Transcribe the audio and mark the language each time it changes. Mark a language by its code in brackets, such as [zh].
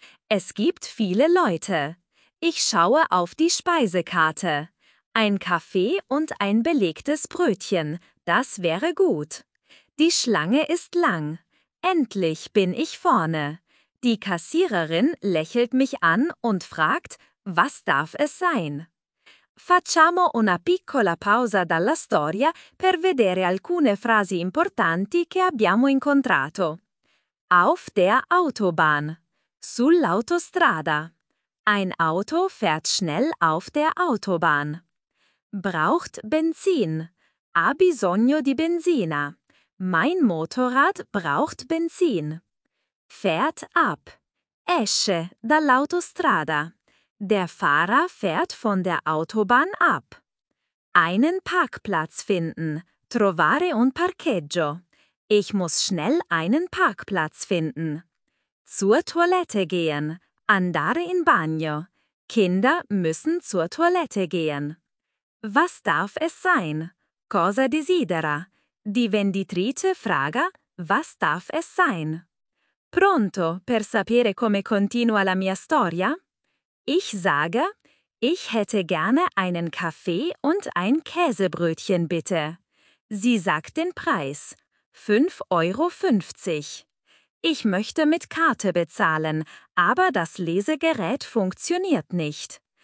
[de] Es gibt viele Leute. Ich schaue auf die Speisekarte. Ein Kaffee und ein belegtes Brötchen, das wäre gut. Die Schlange ist lang. Endlich bin ich vorne. Die Kassiererin lächelt mich an und fragt, was darf es sein? [it] Facciamo una piccola pausa dalla storia per vedere alcune frasi importanti che abbiamo incontrato. [de] Auf der Autobahn. [it] Sull'autostrada. [de] Ein Auto fährt schnell auf der Autobahn. Braucht Benzin. [it] Ha bisogno di benzina. [de] Mein Motorrad braucht Benzin. Fährt ab. [it] Esce dall'autostrada. [de] Der Fahrer fährt von der Autobahn ab. Einen Parkplatz finden. [it] Trovare un parcheggio. [de] Ich muss schnell einen Parkplatz finden. Zur Toilette gehen. [it] Andare in bagno. [de] Kinder müssen zur Toilette gehen. Was darf es sein? [it] Cosa desidera? [de] Die venditrice fraga, was darf es sein? [it] Pronto per sapere come continua la mia storia? [de] Ich sage, ich hätte gerne einen Kaffee und ein Käsebrötchen, bitte. Sie sagt den Preis, 5,50 €. Ich möchte mit Karte bezahlen, aber das Lesegerät funktioniert nicht.